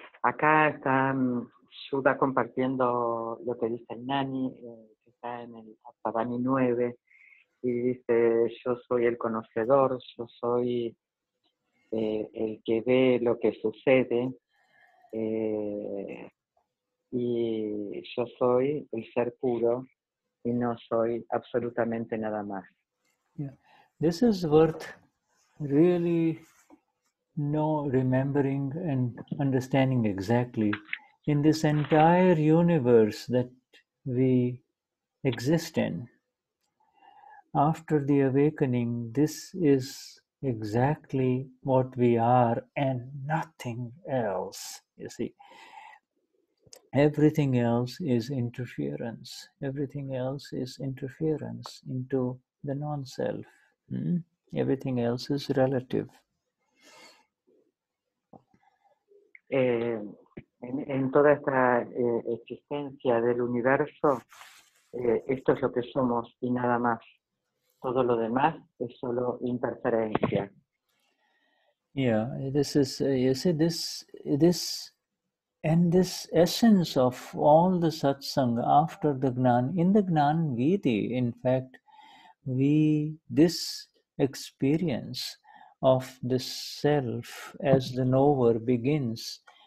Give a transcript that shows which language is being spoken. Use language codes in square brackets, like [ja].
[es] Acá está Shuddha compartiendo lo que dice el Nani, que está en el Aptavani 9, y dice, yo soy el conocedor, yo soy el que ve lo que sucede, y yo soy el ser puro, y no soy absolutamente nada más. [en] Yeah. This is worth really know, remembering and understanding exactly. In this entire universe that we exist in, after the awakening, this is exactly what we are and nothing else, you see. Everything else is interference. Everything else is interference into the non-self. Everything else is relative. [es] En toda esta existencia del universo, esto es lo que somos y nada más. Todo lo demás es solo interferencia. [en] Yeah, this is, you see, this, and this essence of all the satsang after the Gnan, in the Gnan Vidhi, in fact, this experience of the self as the knower begins.